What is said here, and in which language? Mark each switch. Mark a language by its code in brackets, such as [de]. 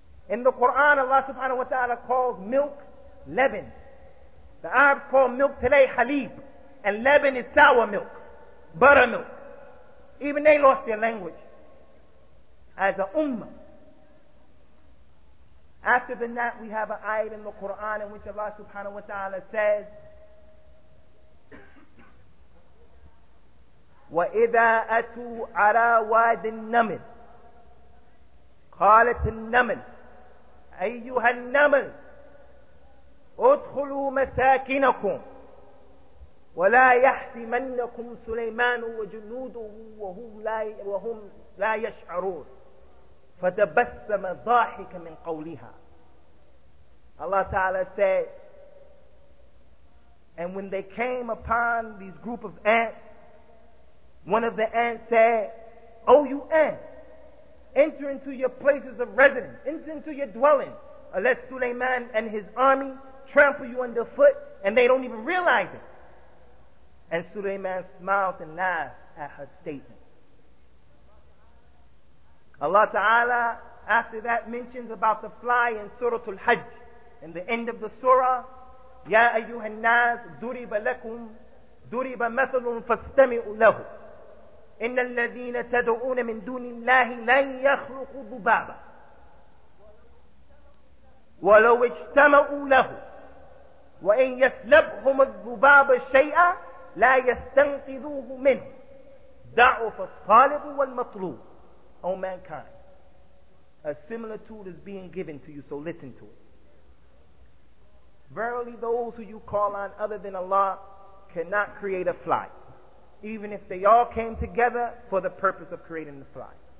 [en] In the Quran, Allah subhanahu wa ta'ala calls milk leaven. The Arabs call milk today halib. And leaven is sour milk, buttermilk. Even they lost their language. As an ummah. After the gnat, we have an ayat in the Quran in which Allah subhanahu wa ta'ala says, [ar] وَإِذَا أَتُوا عَلَى وَادِ النَّمِلِ قَالَتِ النَّمِلِ أَيُّهَا النَّمِلِ أُدْخُلُوا مَسَاكِنَكُمْ وَلَا يَحْتِمَنَّكُمْ سُلَيْمَانُ وَجُنُودُهُ وَهُمْ لَا يَشْعَرُونَ فَتَبَسَّمَ ضَاحِكَ مِنْ قَوْلِهَا. [en] Allah Ta'ala said, and when they came upon these group of ants, one of the ants said, O you ants, enter into your places of residence, enter into your dwelling, unless Sulaiman and his army trample you underfoot and they don't even realize it. And Sulaiman smiled and laughed at her statement. Allah Ta'ala, after that, mentions about the fly in Surah Al-Hajj. In the end of the surah, [ar] يَا أَيُّهَا النَّاسُ ضُرِبَ لَكُمْ ضُرِبَ مَثَلٌ فَاسْتَمِعُوا لَهُ إِنَّ الَّذِينَ تَدْعُونَ مِن دُونِ اللَّهِ لَنْ يَخْلُقُوا ذُبَابًا وَلَوْ اجْتَمَعُوا لَهُ وَإِنْ يَسْلَبْهُمُ الذُّبَابَ شَيْئًا لَا يَسْتَنْقِذُوهُ مِنْهُ ضَعُفَ الطَّالِبُ وَالْمَطْلُوبُ. [en] O mankind, a similitude is being given to you, so listen to it. Verily those who you call on other than Allah cannot create a fly, even if they all came together for the purpose of creating the fly.